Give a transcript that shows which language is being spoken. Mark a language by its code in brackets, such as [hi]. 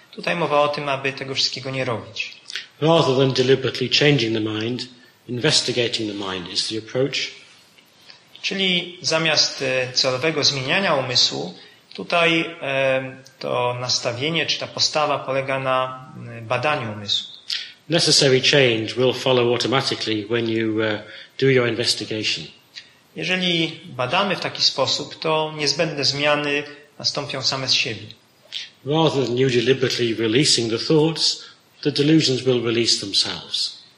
[pl] Tutaj mowa o tym, aby tego wszystkiego nie robić. [en] Rather than deliberately changing the mind, investigating the mind is the approach. [pl] Czyli zamiast celowego zmieniania umysłu, tutaj to nastawienie czy ta postawa polega na badaniu umysłu. [en] Necessary change will follow automatically when you do your investigation. [pl] Jeżeli badamy w taki sposób, to niezbędne zmiany nastąpią same z siebie. [en] Rather than you deliberately releasing the thoughts, the delusions will release themselves.